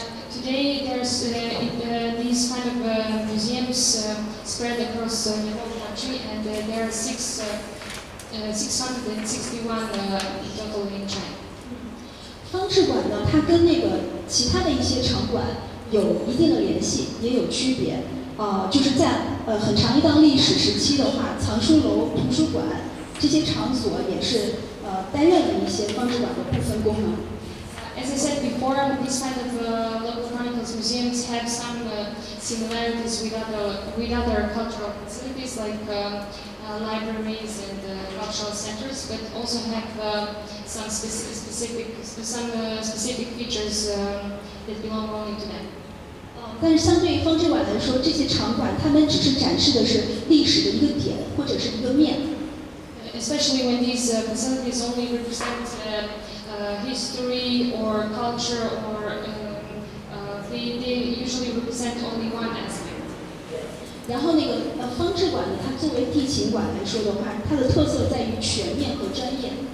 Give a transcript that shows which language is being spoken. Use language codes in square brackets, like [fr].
[en] Today there's these kind of museums spread across the whole country, and there are 661 total in China. [zh] 方志馆呢，它跟那个其他的一些场馆。有一定的联系，也有区别，就是在很长一段历史时期的话，藏书楼、图书馆这些场所也是担任了一些方志馆的部分功能。 [en] As I said before, this kind of local chronicles museums have some similarities with other cultural facilities like libraries and cultural centers, but also have some specific features that belong only to them. [zh] 但是相对于方志馆来说，这些场馆他们只是展示的是历史的一个点或者是一个面。 [en] especially when these facilities only represent history or culture or they usually represent only one aspect. [zh] 然后那个方志馆呢，它作为地勤馆来说的话，它的特色在于全面和专业。